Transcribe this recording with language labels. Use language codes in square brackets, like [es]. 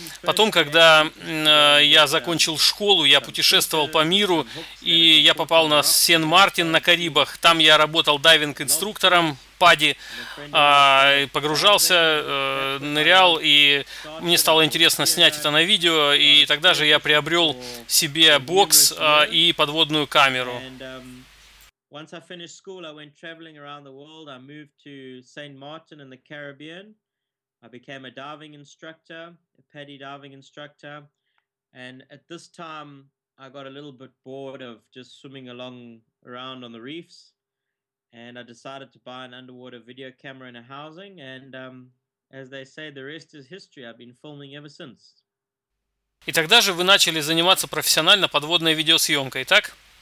[ru] Потом, когда я закончил школу, я путешествовал по миру, и я попал на Сен-Мартин на Карибах. Там я работал дайвинг-инструктором ПАДИ, погружался, нырял, и мне стало интересно снять это на видео, и тогда же я приобрел себе бокс и подводную камеру. [en] Once I finished school, I went traveling around the world. I moved to Saint-Martin in the Caribbean. I became a diving instructor, a PADI diving instructor. And at this time, I got a little bit bored of just swimming along around on the reefs, and I decided to buy an underwater video camera and a housing, and as they say, the rest is history. I've been filming ever since. [ru] И тогда же вы начали заниматься профессионально подводной видеосъемкой, так?